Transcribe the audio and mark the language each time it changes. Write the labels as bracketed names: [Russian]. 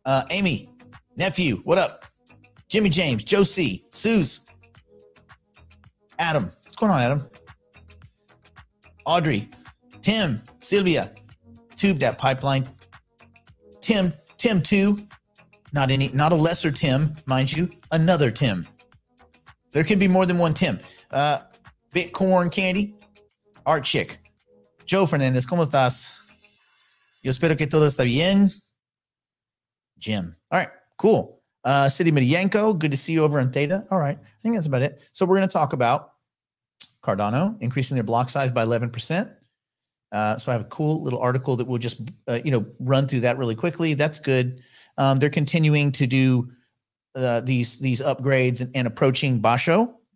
[English] Amy, nephew, what up? Jimmy James, Joe C, Suze, Adam. What's going on, Adam? Audrey, Tim, Sylvia, Tube That Pipeline, Tim 2, not a lesser Tim, mind you, another Tim. There could be more than one Tim. Bitcoin Candy, Art Chick, Joe Fernandez, [Spanish] ¿cómo estás? Yo espero que todo está bien. [English] Jim. All right, cool. City Medianko, good to see you over in Theta. All right, I think that's about it. So we're going to talk about Cardano increasing their block size by 11%. So I have a cool little article that we'll just, run through that really quickly. That's good. They're continuing to do these upgrades and approaching Basho.